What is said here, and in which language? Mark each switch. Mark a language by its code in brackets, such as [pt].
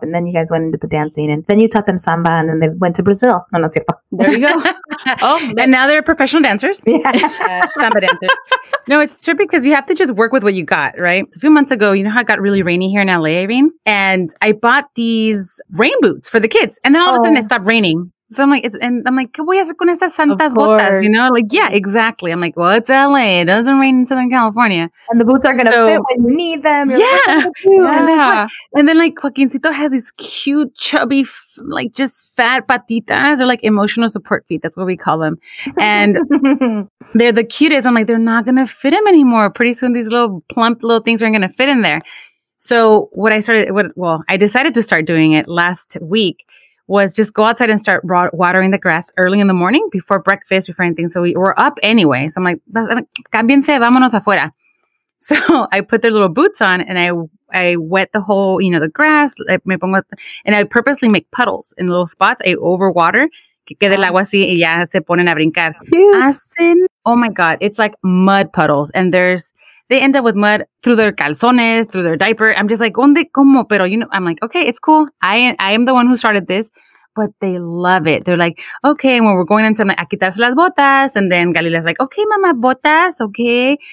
[en] And then you guys went into the dancing. And then you taught them samba. And then they went to Brazil. [es] No, no, cierto. [en] There you go. Oh, and now they're professional dancers. Yeah. Samba dancers. No, it's true because you have to just work with what you got, right? So a few months ago, you know how it got really rainy here in LA, Irene? And I bought these rain boots for the kids. And then all of a sudden, it stopped raining. So I'm like, [es] ¿qué voy a hacer con esas santas botas? [en] You know, like, yeah, exactly. I'm like, well, it's LA. It doesn't rain in Southern California. And the boots are going to fit when you need them. And then like, Joaquincito has these cute, chubby, just fat patitas. They're like emotional support feet. That's what we call them. And they're the cutest. I'm like, they're not going to fit him anymore. Pretty soon these little plump little things aren't going to fit in there. So what I started, I decided to start doing it last week. Was just go outside and start watering the grass early in the morning before breakfast, before anything. So we were up anyway. So I'm like, [es] cámbiense, vámonos afuera. [en] So I put their little boots on and I wet the whole, you know, the grass. And I purposely make puddles in little spots. I overwater. [es] Que quede el agua así y ya se ponen a brincar. [en] Oh my God. It's like mud puddles. And they end up with mud through their calzones, through their diaper. I'm just like, [es] ¿dónde? ¿Cómo? [en] Pero, you know, I'm like, okay, it's cool. I am the one who started this, but they love it. They're like, okay, and when we're going into, I'm like, [es] a quitarse las botas. [en] And then Galila's like, okay, mama, botas, okay.